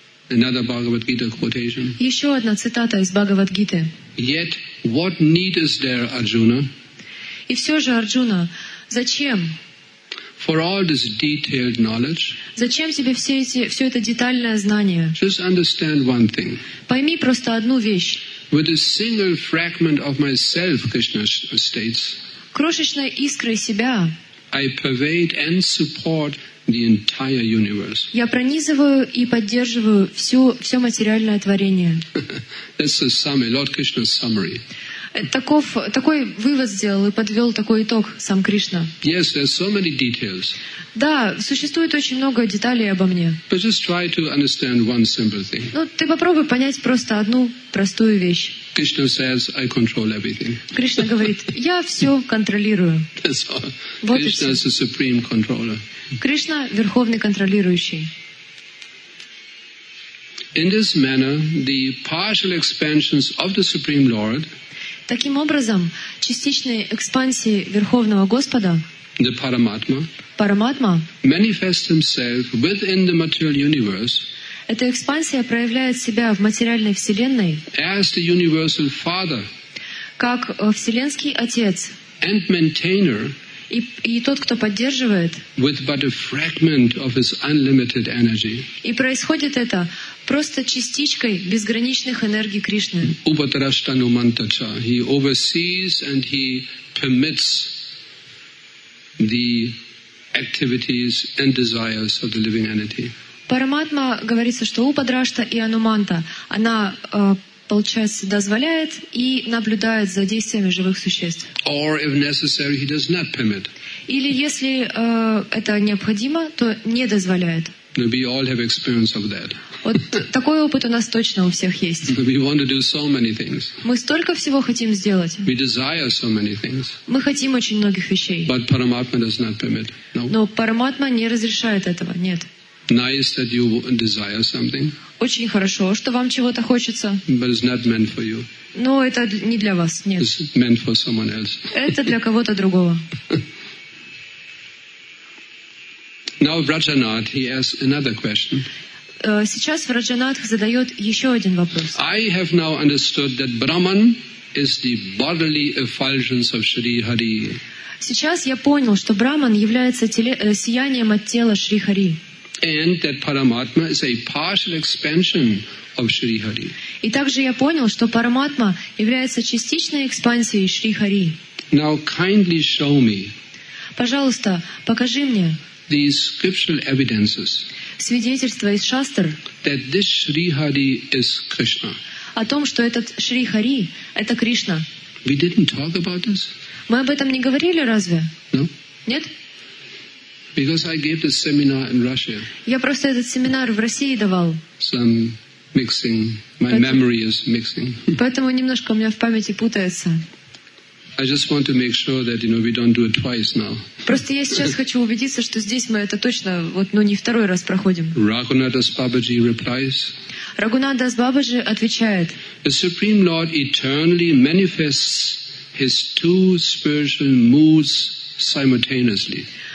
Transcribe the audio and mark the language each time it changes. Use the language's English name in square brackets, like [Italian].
[English] Another Bhagavad Gita quotation. [Russian] Еще одна цитата из Бхагавад Гиты. [English] Yet what need is there, Arjuna? [Russian] И все же, Арджуна, зачем? [English] For all this detailed knowledge. [Russian] Зачем тебе все это детальное знание? [English] Just understand one thing. [Russian] Пойми просто одну вещь. [English] With a single fragment of myself, Krishna states. [Russian] Крошечной искрой себя. [English] I pervade and support the entire universe. [Russian] Я пронизываю и поддерживаю все материальное творение. [English] That's a summary, Lord Krishna's summary. [Russian] Такой вывод сделал и подвел такой итог сам Кришна. [English] Yes, there's so many details. [Russian] Да, существует очень много деталей обо мне. [English] But just try to understand one simple thing. [Russian] Ну, ты попробуй понять просто одну простую вещь. [English] Krishna says, I control everything. [Russian] Кришна говорит, я все контролирую. [English] That's all. [Russian] Вот [English] Krishna is the supreme controller. [Russian] Кришна — верховный контролирующий. [English] In this manner, the partial expansions of the Supreme Lord. [Russian] Таким образом, частичные экспансии Верховного Господа, [English] the Paramatma, [Russian] Параматма, [English] manifest himself within the material universe, [Russian] эта экспансия проявляет себя в материальной Вселенной, [English] as the universal father, [Russian] как Вселенский Отец [English] and maintainer, [Russian] и тот, кто поддерживает, [English] with but a fragment of his unlimited energy. [Russian] И происходит это просто частичкой безграничных энергий Кришны. [Sanskrit] Upatrashtanu mantacha. [English] He oversees and he permits the activities and desires of the living entity. [Russian] Параматма говорится, что Упадрашта и Ануманта, она, получается, дозволяет и наблюдает за действиями живых существ. [English] Or if necessary, he does not permit. [Russian] Или если это необходимо, то не дозволяет. [English] We all have experience of that. [Russian] Вот такой опыт у нас точно у всех есть. [English] We want to do so many things. [Russian] Мы столько всего хотим сделать. [English] We desire so many things. [Russian] Мы хотим очень многих вещей. [English] But Paramatma does not permit. No. [Russian] Но Параматма не разрешает этого, нет. [English] Nice that you desire something. [Russian] Очень хорошо, что вам чего-то хочется. [English] But it's not meant for you. [Russian] Но это не для вас, нет. [English] It's meant for someone else. [Russian] Это для кого-то другого. [English] Now Vrajanath, he asks another question. [Russian] Сейчас Враджанатх задает еще один вопрос. [English] I have now understood that Brahman is the bodily effulgence of Shri Hari. [Russian] Сейчас я понял, что Брахман является сиянием от тела Шри Хари. [English] And that Paramatma is a partial expansion of Shri Hari. [Russian] И также я понял, что Параматма является частичной экспансией Шри Хари. [English] Now kindly show me. [Russian] Пожалуйста, покажи мне. [English] These scriptural evidences. [Russian] Свидетельства из шастр. [English] That this Shri Hari is Krishna. [Russian] О том, что этот Шри Хари это Кришна. [English] We didn't talk about this. [Russian] Мы об этом не говорили, разве? [English] No. [Russian] Нет? [English] Because I gave this seminar in Russia. [Russian] Я просто этот семинар в России давал. [English] Some mixing. My memory is mixing. [Russian] Поэтому немножко у меня в памяти путается. [English] I just want to make sure that you know we don't do it twice now. [Russian] Просто я сейчас хочу убедиться, что здесь мы это точно вот, но не второй раз проходим. [English] Raghunadas Babaji replies. [Russian] Raghunadas Babaji отвечает. [English] The Supreme Lord eternally manifests his two spiritual moods simultaneously.